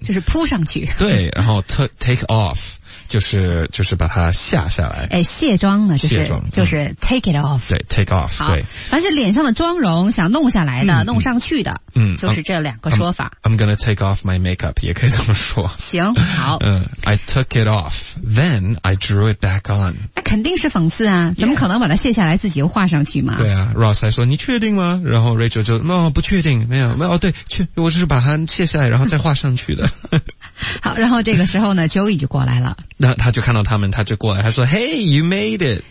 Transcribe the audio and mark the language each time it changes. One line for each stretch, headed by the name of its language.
Chinese: 就是铺上去。对，然后 take off 就是把它下来。哎，卸妆呢，就是 take it off。对 ，take off。好，凡是脸上的妆容想弄下来的、弄上去的，就是这两个说法。
English: I'm gonna take off my makeup，
Chinese: 也可以这么说。行，好。
English: I took it off, then I drew it back on。
Chinese: 那肯定是讽刺啊，怎么可能把它卸下来自己又画上去嘛？对啊 ，Ross 还说你确定吗？然后 Rachel 就哦不确定，没有哦对，我就是把它。卸下来然后再画上去的。好，然后这个时候呢 Joey 就过来了，那他就看到他们，他就过来，他说
English: Hey, you made it。